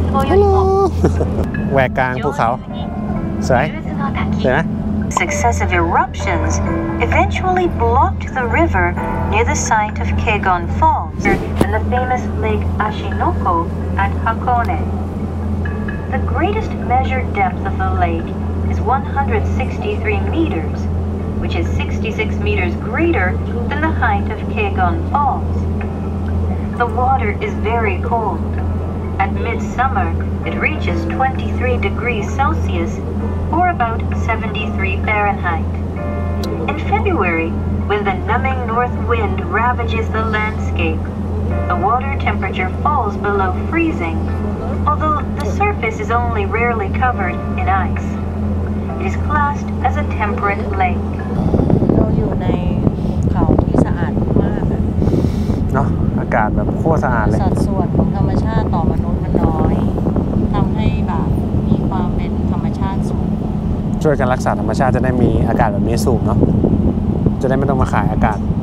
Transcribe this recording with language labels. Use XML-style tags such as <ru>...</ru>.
<th>ฮัลโหลแหวกกลางภูเขาสวยสวยนะ</th> <en>Successive eruptions eventually blocked the river near the site of Kegon Falls and the famous Lake Ashinoko at Hakone. The greatest measured depth of the lake is 163 meters, which is 66 meters greater than the height of Kegon Falls. The water is very cold. At midsummer, it reaches 23 degrees Celsius, or about 73 Fahrenheit. In February, when the numbing north wind ravages the landscape, the water temperature falls below freezing,Although the surface is only rarely covered in ice, it is classed as a temperate lake.</en> <th>เราอยู่ในเขาที่สะอาดมาก เนาะอากาศแบบขั้วสะอาดเลย สัดส่วนของธรรมชาติต่อมนุษย์มันน้อยทำให้แบบมีความเป็นธรรมชาติสูง ช่วยกันรักษาธรรมชาติจะได้มีอากาศแบบนี้สูงเนาะจะได้ไม่ต้องมาขายอากาศ</th>